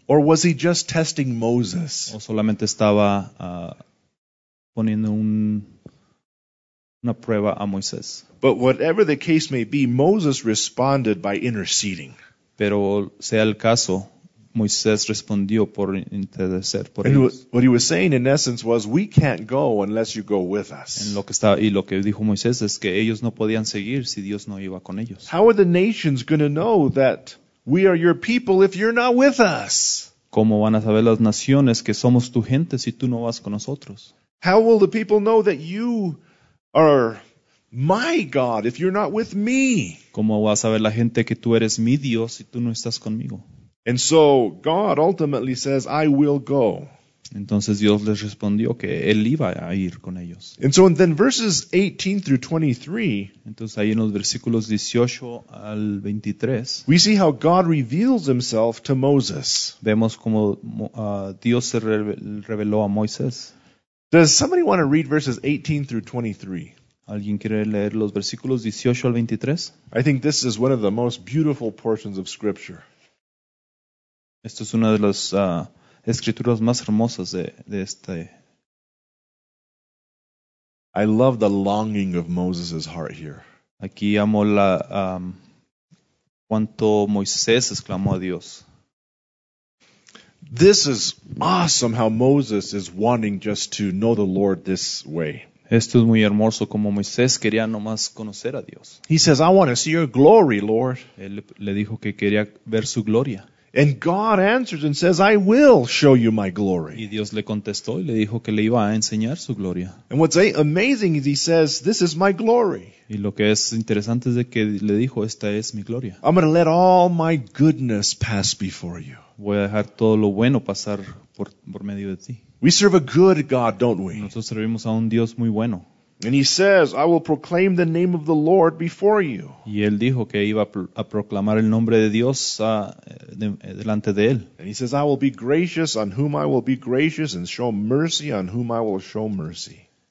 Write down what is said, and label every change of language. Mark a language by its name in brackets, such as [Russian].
[English] Or was he just testing Moses? [Spanish] O solamente estaba poniendo una prueba a Moisés. [English] But whatever the case may be, Moses responded by interceding. [Spanish] Pero sea el caso, Moisés respondió por interceder por [English] and [Spanish] ellos. [English] What he was saying in essence was, we can't go unless you go with us. [Spanish] En lo que estaba, y lo que dijo Moisés es que ellos no podían seguir si Dios no iba con ellos. [English] How are the nations going to know that we are your people if you're not with us? [Spanish] ¿Cómo van a saber las naciones que somos tu gente si tú no vas con nosotros? [English] How will the people know that you are my God if you're not with me? [Spanish] ¿Cómo va a saber la gente que tú eres mi Dios si tú no estás conmigo? [English] And so God ultimately says, I will go. [Spanish] Entonces Dios les respondió que él iba a ir con ellos. [English] And so then verses 18 through 23, [Spanish] entonces ahí en los versículos 18 al 23, [English] we see how God reveals himself to Moses. [Spanish] Vemos como Dios se reveló a Moisés. [English] Does somebody want to read verses 18 through 23? [Spanish] ¿Alguien quiere leer los versículos 18 al 23? [English] I think this is one of the most beautiful portions of Scripture. [Spanish] Esto es una de las escrituras más hermosas de este. [English] I love the longing of Moses' heart here. [Spanish] Aquí amo la cuanto Moisés exclamó a Dios. [English] This is awesome how Moses is wanting just to know the Lord this way. [Spanish] Esto es muy hermoso, como Moisés quería nomás conocer a Dios. [English] He says, I want to see your glory, Lord. [Spanish] Él le dijo que quería ver su gloria. [English] And God answers and says, I will show you my glory. [Spanish] Y Dios le contestó y le dijo que le iba a enseñar su gloria. [English] And what's amazing is he says, this is my glory. [Spanish] Y lo que es interesante es de que le dijo, esta es mi gloria. [English] I'm going to let all my goodness pass before you. [Spanish] Voy a dejar todo lo bueno pasar por medio de ti. [English] We serve a good God, don't we? [Spanish] Nosotros servimos a un Dios muy bueno. [English] And he says, I will proclaim the name of the Lord before you. [Spanish] Y él dijo que iba a proclamar el nombre de Dios delante de él. [English] And he says, I will be gracious on whom I will be gracious and show mercy on whom I will show mercy.